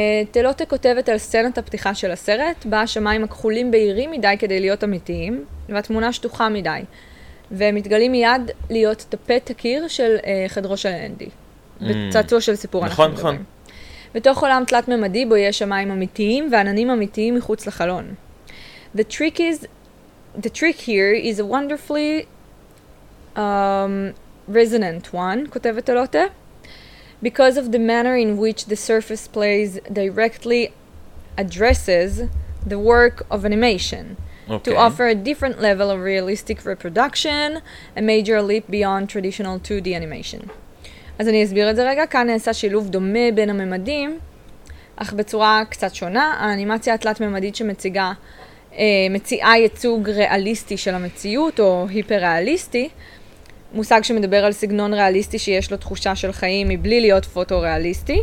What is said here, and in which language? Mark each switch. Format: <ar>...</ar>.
<he>תלוטה כותבת על סצנת הפתיחה של הסרט, בה השמיים הכחולים בהירים מדי כדי להיות אמיתיים, והתמונה שטוחה מדי, ומתגלים מיד להיות טפט הקיר של חדרו של אנדי, בצעצוע של סיפור. נכון, נכון. מדברים. בתוך עולם תלת ממדי בו יש שמיים אמיתיים ועננים אמיתיים מחוץ לחלון.</he> <en>The trick here is a wonderfully resonant one, כותבת אלוטה, because of the manner in which the surface plays directly addresses the work of animation, okay. to offer a different level of realistic reproduction, a major leap beyond traditional 2D animation.</en> <he>אז אני אסביר את זה רגע, כאן נעשה שילוב דומה בין הממדים, אך בצורה קצת שונה, האנימציה התלת-ממדית שמציגה, מציעה ייצוג ריאליסטי של המציאות, או היפר-ריאליסטי, מושג שמדבר על סגנון ריאליסטי שיש לו תחושה של חיים מבלי להיות פוטו-ריאליסטי.</he>